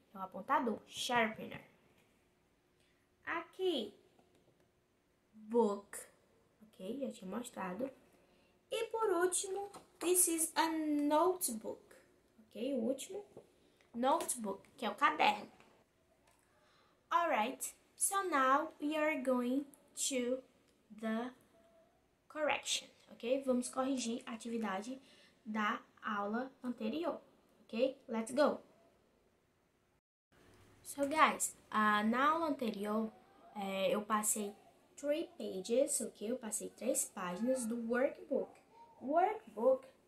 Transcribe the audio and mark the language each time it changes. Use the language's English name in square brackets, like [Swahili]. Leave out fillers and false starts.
[Portuguese] É um apontador, sharpener. Aqui, book, ok? Já tinha mostrado. E por último, [English] this is a notebook. [Portuguese] Ok, o último, notebook, que é o caderno. [English] Alright, so now we are going to the correction, ok? [Portuguese] Vamos corrigir a atividade da aula anterior, ok? [English] Let's go! So guys, [Portuguese] na aula anterior, eu passei 3 pages, ok? Eu passei 3 páginas do workbook. Workbook.